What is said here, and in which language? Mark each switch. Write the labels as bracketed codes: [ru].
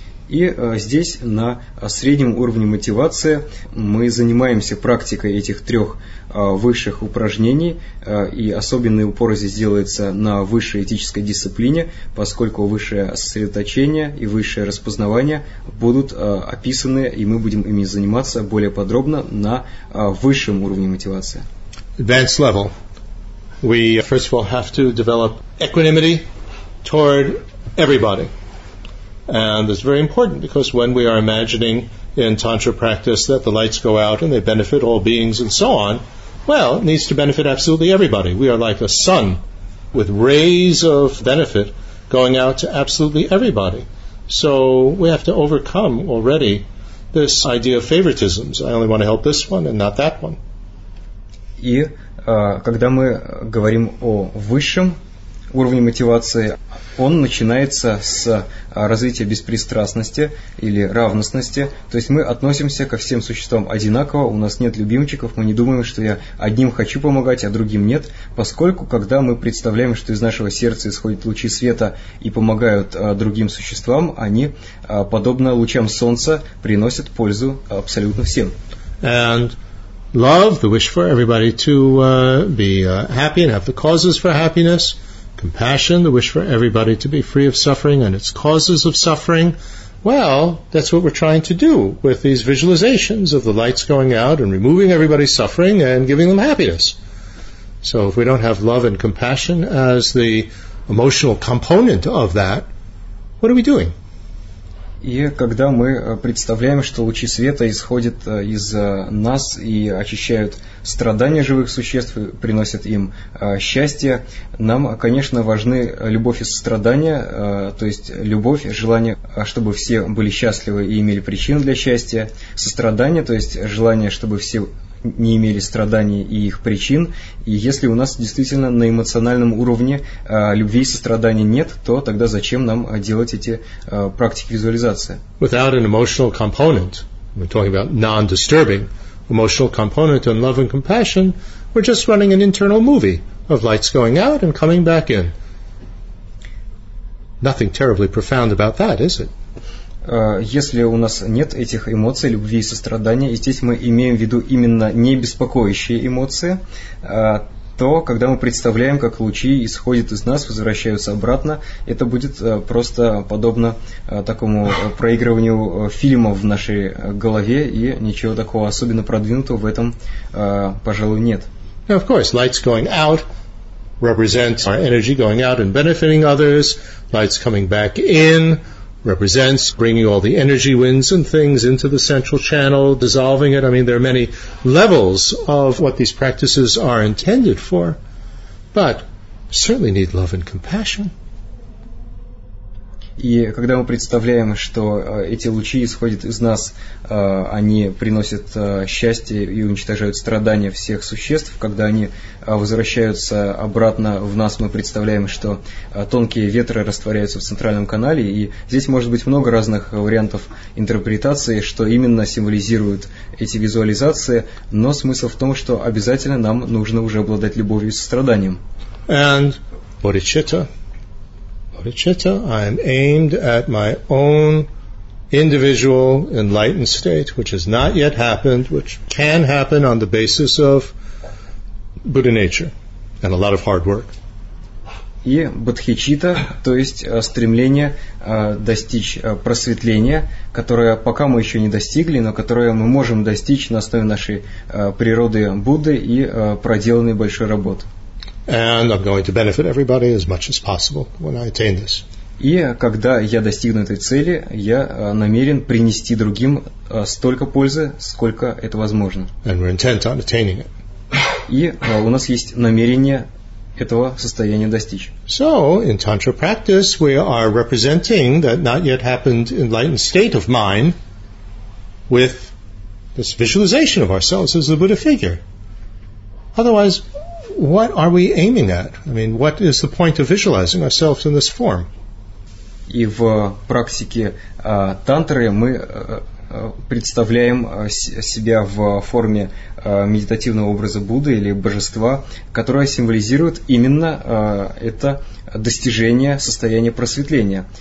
[ru] И здесь, на среднем уровне мотивации, мы занимаемся практикой этих трех высших упражнений, и особенный упор здесь делается на высшей этической дисциплине, поскольку высшее сосредоточение и высшее распознавание будут описаны, и мы будем ими заниматься более подробно на высшем уровне мотивации. [en] Advanced level. We first of all have to develop equanimity toward everybody. And it's very important because when we are imagining in tantra practice that the lights go out and they benefit all beings and so on, well, it needs to benefit absolutely everybody. We are like a sun with rays of benefit going out to absolutely everybody. So we have to overcome already this idea of favoritisms. I only want to help this one and not that one. [ru] И когда мы говорим о высшем уровне мотивации, он начинается с развития беспристрастности или равностности. То есть мы относимся ко всем существам одинаково, у нас нет любимчиков, мы не думаем, что я одним хочу помогать, а другим нет. Поскольку, когда мы представляем, что из нашего сердца исходят лучи света и помогают другим существам, они, подобно лучам солнца, приносят пользу абсолютно всем. [en] And love, the wish for everybody to be happy and have the causes for happiness. Compassion, the wish for everybody to be free of suffering and its causes of suffering. Well, that's what we're trying to do with these visualizations of the lights going out and removing everybody's suffering and giving them happiness. So if we don't have love and compassion as the emotional component of that, what are we doing? [ru] И когда мы представляем, что лучи света исходят из нас и очищают страдания живых существ, приносят им счастье, нам, конечно, важны любовь и сострадание, то есть любовь, желание, чтобы все были счастливы и имели причину для счастья, сострадание, то есть желание, чтобы все не имели страданий и их причин, и если у нас действительно на эмоциональном уровне любви и сострадания нет, то тогда зачем нам делать эти практики визуализации? [en] Without an emotional component, we're talking about non-disturbing emotional component and love and compassion, we're just running an internal movie of lights going out and coming back in. Nothing terribly profound about that, is it? [ru] Если у нас нет этих эмоций, любви и сострадания, и здесь мы имеем в виду именно не беспокоящие эмоции, то когда мы представляем, как лучи исходят из нас, возвращаются обратно, это будет просто подобно такому проигрыванию фильма в нашей голове, и ничего такого особенно продвинутого в этом, пожалуй, нет. [en] Now, of course, lights going out represent our energy going out and benefiting others, lights coming back in represents bringing all the energy winds and things into the central channel, dissolving it. I mean, there are many levels of what these practices are intended for, but certainly need love and compassion. [ru] И когда мы представляем, что эти лучи исходят из нас, они приносят счастье и уничтожают страдания всех существ, когда они возвращаются обратно в нас, мы представляем, что тонкие ветры растворяются в центральном канале, и здесь может быть много разных вариантов интерпретации, что именно символизируют эти визуализации, но смысл в том, что обязательно нам нужно уже обладать любовью и состраданием. [en] And bodhicitta. Bodhicitta, I am aimed at my own individual enlightened state, which has not yet happened, which can happen on the basis of Buddha nature and a lot of hard work. [ru] и бодхичитта, то есть стремление достичь просветления, которое пока мы еще не достигли, но которое мы можем достичь на основе нашей природы Будды и проделанной большой работы. [en] And I'm going to benefit everybody as much as possible when I attain this. [ru] И когда я достигну этой цели, я намерен принести другим столько пользы, сколько это возможно. [en] And we're intent on attaining it. [ru] И у нас есть намерение этого состояния достичь. [en] So, in tantra practice, we are representing that not yet happened enlightened state of mind with this visualization of ourselves as the Buddha figure. Otherwise, what are we aiming at? I mean, what is the point of visualizing ourselves in this form? [ru] И в практике тантры мы представляем себя в форме медитативного образа Будды или божества, которое символизирует именно это достижение состояния просветления.